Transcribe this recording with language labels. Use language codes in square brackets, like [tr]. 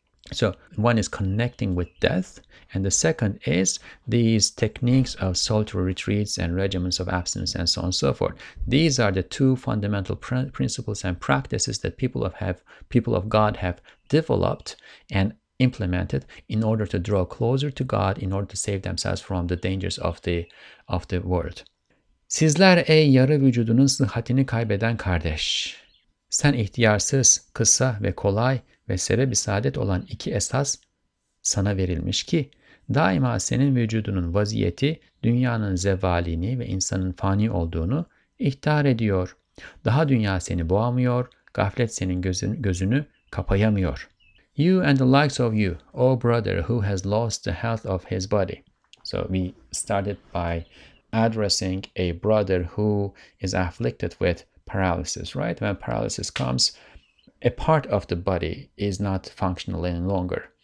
[en] So one is connecting with death, and the second is these techniques of solitary retreats and regimens of abstinence and so on and so forth. These are the two fundamental principles and practices that people of God have developed and implemented in order to draw closer to God, in order to save themselves from the dangers of the world. [tr] Sizler ey yarı vücudunun sıhhatini kaybeden kardeş. Sen ihtiyarsız, kısa ve kolay ve sebebi saadet olan iki esas sana verilmiş ki daima senin vücudunun vaziyeti dünyanın zevalini ve insanın fani olduğunu ihtar ediyor. Daha dünya seni boğamıyor, gaflet senin gözünü kapayamıyor. [en] You and the likes of you, O brother who has lost the health of his body. So we started by addressing a brother who is afflicted with paralysis, right? When paralysis comes, a part of the body is not functional any longer.